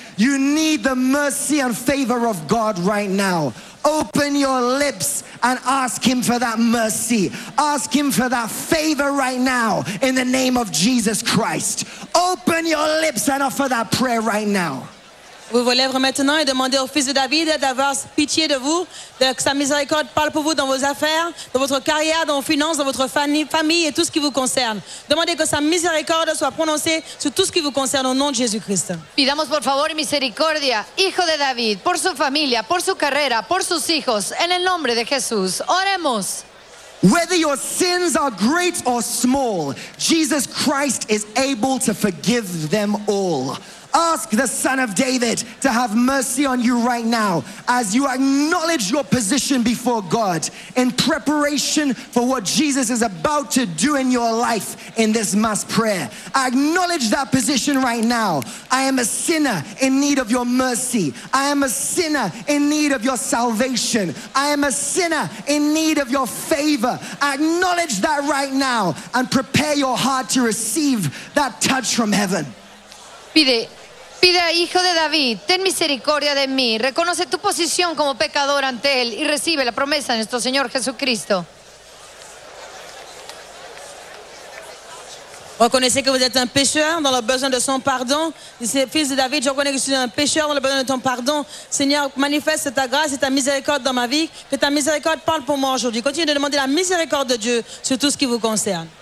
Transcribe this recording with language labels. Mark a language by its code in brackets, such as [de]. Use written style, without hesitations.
[en] You need the mercy and favor of God right now. Open your lips and ask Him for that mercy. Ask Him for that favor right now in the name of Jesus Christ. Open your lips and offer that prayer right now. [fr] Vous vous lèverez maintenant et demandez au Fils de David d'avoir pitié de vous, de que sa miséricorde parle pour vous dans vos affaires, dans votre carrière, dans vos finances, dans votre famille et tout ce qui vous concerne. Demandez que sa miséricorde soit prononcée sur tout ce qui vous concerne au nom de Jésus-Christ. [es] Pidamos por favor y misericordia, Hijo de David, por su familia, por su carrera, por sus hijos, en el nombre de Jesús. Oremos. [en] Whether your sins are great or small, Jesus Christ is able to forgive them all. Ask the Son of David to have mercy on you right now as you acknowledge your position before God in preparation for what Jesus is about to do in your life in this mass prayer. Acknowledge that position right now. I am a sinner in need of your mercy. I am a sinner in need of your salvation. I am a sinner in need of your favor. Acknowledge that right now and prepare your heart to receive that touch from heaven. [es] Pide, Hijo de David, ten misericordia de mí. Reconoce tu posición como pecador ante Él y recibe la promesa de nuestro Señor Jesucristo. [fr] Reconocer que vous êtes un pécheur dans le besoin de son pardon. Fils de David, je reconnais que je suis un pécheur dans le besoin de ton pardon. Seigneur, manifeste ta grâce et ta miséricorde dans ma vie. Que ta miséricorde parle pour moi aujourd'hui. Continue de demander la miséricorde de Dieu sur tout ce qui vous concerne.